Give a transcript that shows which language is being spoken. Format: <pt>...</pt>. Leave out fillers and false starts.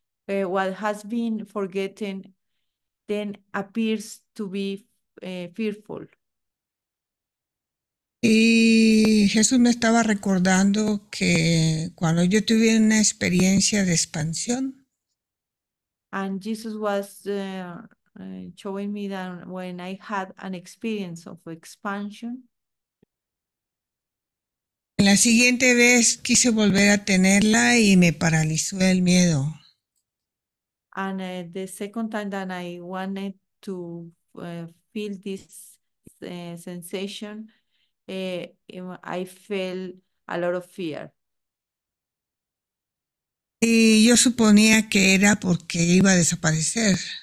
<en>What has been forgotten then appears to be fearful.</en> <es>Y Jesús me estaba recordando que cuando yo tuve una experiencia de expansión,</es> <en>and Jesus was showing me that when I had an experience of expansion,</en> <es>la siguiente vez quise volver a tenerla y me paralizó el miedo.</es> <en>And the second time that I wanted to feel this sensation, I felt a lot of fear.</en> <es>Y yo suponía que era porque iba a desaparecer.</es>